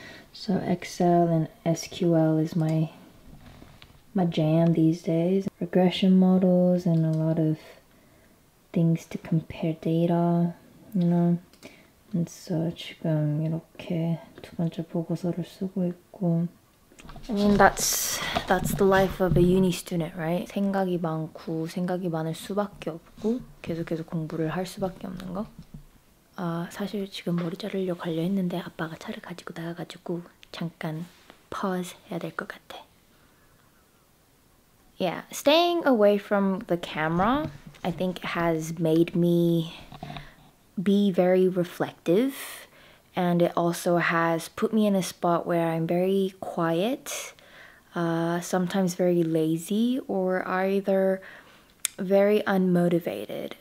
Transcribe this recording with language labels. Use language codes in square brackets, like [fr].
[en] So Excel and SQL is my jam these days. Regression models and a lot of things to compare data, you know. And so [ko] 지금 이렇게 두 번째 보고서를 쓰고 있고. [en] I mean, that's the life of a uni student, right? [ko] 생각이 많고 생각이 많을 수밖에 없고 계속 공부를 할 수밖에 없는 거. 아, 사실 지금 머리 자르려 가려 했는데 아빠가 차를 가지고 나가가지고 잠깐 pause 해야 될 것 같아. [en] Yeah, staying away from the camera, I think has made me be very reflective. And it also has put me in a spot where I'm very quiet, sometimes very lazy, or either very unmotivated.